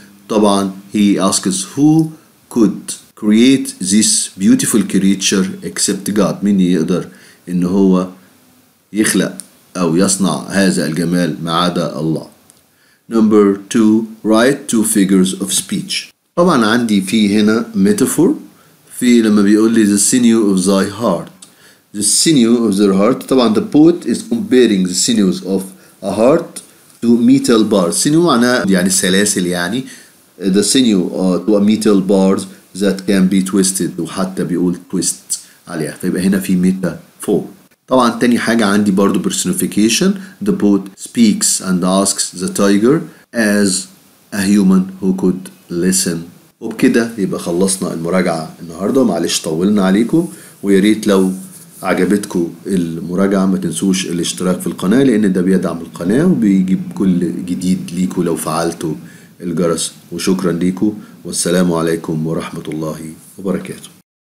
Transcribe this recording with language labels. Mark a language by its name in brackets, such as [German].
[Arabic] طبعا [English] he asks who could create this beautiful creature except God. [Arabic] مين يقدر ان هو يخلق او يصنع هذا الجمال ما عدا الله. [English] Number two, write two figures of speech. [Arabic] طبعا عندي في هنا metaphor في لما بيقول لي [English] the sinew of thy heart. The sinew of their heart. [Arabic] طبعا [English] the poet is comparing the sinews of a heart to metal bars. [Arabic] Sinew معناه يعني سلاسل يعني. [English] The sinew to a metal bars that can be twisted. [Arabic] وحتى بيقول twist عليها. فيبقى هنا في metaphor. طبعا تاني حاجة عندي برضو personification. [English] The poet speaks and asks the tiger as a human who could listen. [Arabic] وبكده يبقى خلصنا المراجعة النهاردة. معلش طولنا عليكم. وياريت لو عجبتكم المراجعة ما تنسوش الاشتراك في القناة لان ده بيدعم القناة وبيجيب كل جديد ليكم لو فعلتوا الجرس. وشكرا ليكم والسلام عليكم ورحمة الله وبركاته.